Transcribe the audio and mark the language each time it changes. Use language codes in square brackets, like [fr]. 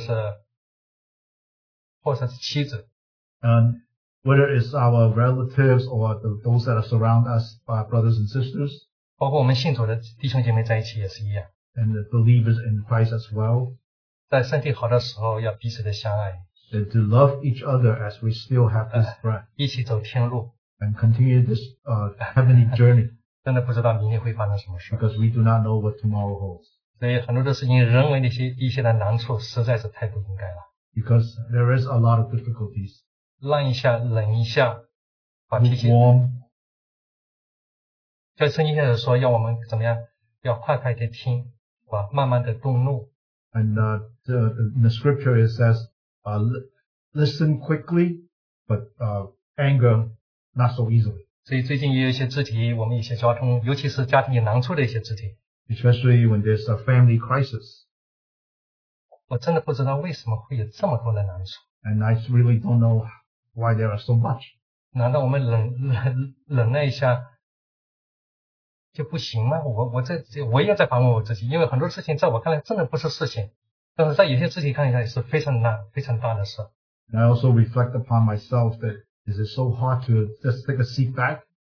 [zh] 所以我相信我们的亲人，相信我们的亲人，还有我们周遭的一些的子弟兄姊妹的先生或者是妻子。 [en] Whether it's our relatives or those that are surround us by brothers and sisters. [zh] 包括我们信主的弟兄姐妹在一起也是一样。 [en] And the believers in Christ as well. [zh] 在身体好的时候要彼此的相爱, [en] to love each other as we still have this breath, [zh] 一起走天路, [en] and continue this heavenly journey, [zh] 真的不知道明天会发生什么事, [en] because we do not know what tomorrow holds. [zh] 所以很多的事情人为那些一些的难处, [en] because there is a lot of difficulties. [zh] 让一下,冷一下, [en] warm. [zh] 就圣经上说, 要我们怎么样, 要快快地听, 哇, 慢慢地动怒, [en] and in the scripture it says listen quickly but anger not so easily. [zh] 所以最近也有一些肢体，我们一些交通，尤其是家庭有难处的一些肢体。 [en] Especially when there's a family crisis. [zh] 我真的不知道为什么会有这么多的难处。 [en] And I really don't know why there are so much. [zh] 难道我们忍耐一下 就不行吗? 我也在反问我自己，因为很多事情在我看来真的不是事情。但是在有些肢体看起来是非常大的事。 [en] And I also reflect upon myself that is it so hard to just take a seat back?